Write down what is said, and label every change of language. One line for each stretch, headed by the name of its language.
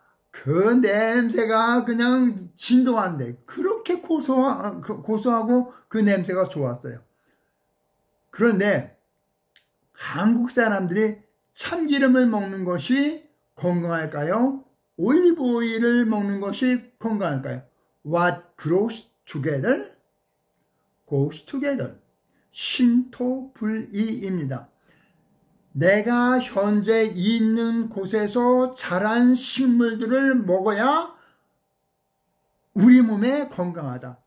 Korean: 그 냄새가 그냥 진동한데 그렇게 고소하고 그 냄새가 좋았어요. 그런데 한국 사람들이 참기름을 먹는 것이 건강할까요? 올리브오일을 먹는 것이 건강할까요?
English: What grows together goes together.
Korean: 신토불이입니다. 내가 현재 있는 곳에서 자란 식물들을 먹어야 우리 몸에 건강하다.